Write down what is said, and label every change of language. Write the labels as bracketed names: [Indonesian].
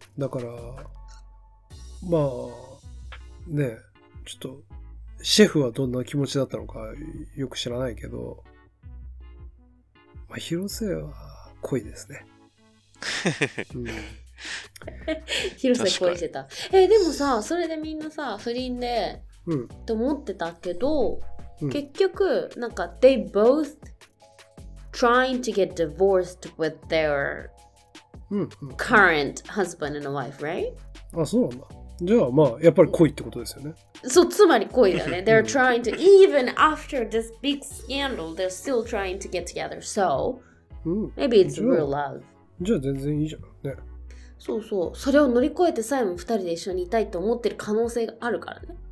[Japanese] だからまあねちょっとシェフはどんな気持ちだったのかよく知らないけど、まあ、広瀬は恋ですね広瀬恋してたでもさそれでみんなさ不倫で、うん、って思ってたけど、うん、結局なんか [English] they both trying to get divorced with their current husband and wife right? [Japanese] あそうなんだじゃあまあやっぱり恋ってことですよねそうつまり恋だね [English] they're trying to even after this big scandal they're still trying to get together so、うん、 maybe it's real love [Japanese] じゃあ全然いいじゃんね。そうそう、それを乗り越えてさえも二人で一緒にいたいと思ってる可能性があるからね。